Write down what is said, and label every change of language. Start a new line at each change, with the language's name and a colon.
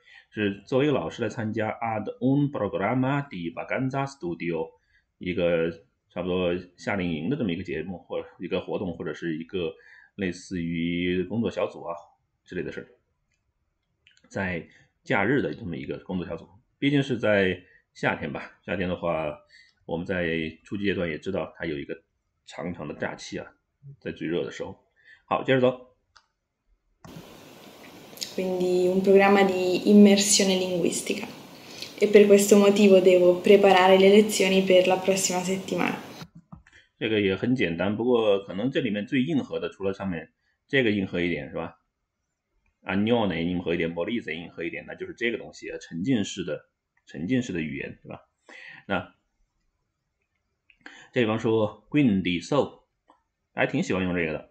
Chinese: 是作为一个老师来参加
Italian: ad un programma di vacanza studio
Chinese: 一个差不多夏令营的这么一个节目或者一个活动或者是一个类似于工作小组啊之类的事，在假日的这么一个工作小组，毕竟是在。夏天吧，夏天的话，我们在初级阶段也知道它有一个长长的假期啊，在最热的时候。好，接着走。
Italian: Quindi un programma di immersione linguistica e per questo motivo devo preparare le lezioni per la prossima settimana.
Chinese: 这个也很简单，不过可能这里面最硬核的，除了上面这个硬核一点是吧？啊，neon 硬核一点，玻璃再硬核一点，那就是这个东西啊，沉浸式的。沉浸式的语言，对吧？那这比方说 Quindi so，还挺喜欢用这个的。